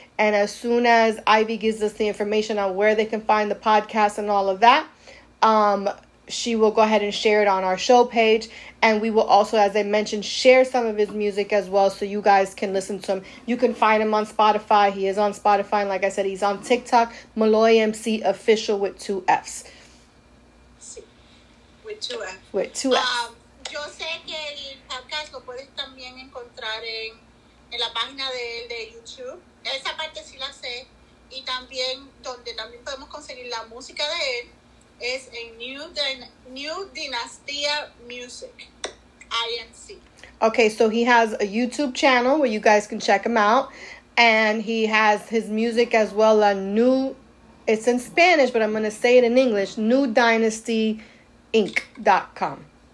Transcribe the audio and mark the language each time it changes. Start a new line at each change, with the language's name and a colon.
English: And as soon as Ivy gives us the information on where they can find the podcast and all of that, she will go ahead and share it on our show page. And we will also, as I mentioned, share some of his music as well so you guys can listen to him. You can find him on Spotify. He is on Spotify. And like I said, he's on TikTok, Malloy MC Official with two Fs.
Spanish: Sí.
English: With two Fs. With two Fs.
Spanish: Yo sé que el podcast lo puedes también encontrar en la página de YouTube. Esa parte sí la sé. Y también, donde también podemos conseguir la música de él, es en New Dynastia Music, INC.
English: Okay, so he has a YouTube channel where you guys can check him out. And he has his music as well, a new, it's in Spanish, but I'm going to say it in English, newdynastyinc.com.